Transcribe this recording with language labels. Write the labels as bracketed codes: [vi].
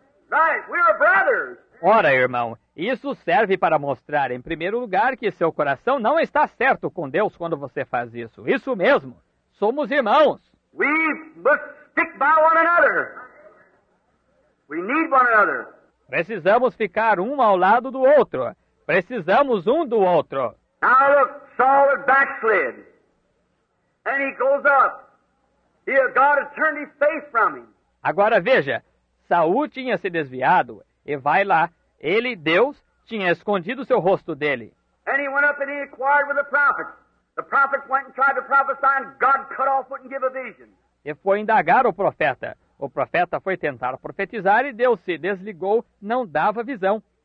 [en] Right, we are brothers. [pt] Ora, irmão, isso serve para mostrar, em primeiro lugar, que seu coração não está certo com Deus quando você faz isso. Isso mesmo, somos irmãos. [en] We must stick by one another. We need one another. [pt] Precisamos ficar um ao lado do outro. Precisamos um do outro. [en] Now look, Saul is backslid. And he goes up. Here, God has turned his face from him. [pt] Agora veja, Saul tinha se desviado e vai lá. Ele, Deus, tinha escondido seu rosto dele. [en] And he went up and he inquired with the prophets. The prophets went and tried to prophesy and God cut off, wouldn't give a vision. [pt] E foi indagar o profeta. O profeta foi tentar profetizar e Deus se desligou, não dava visão.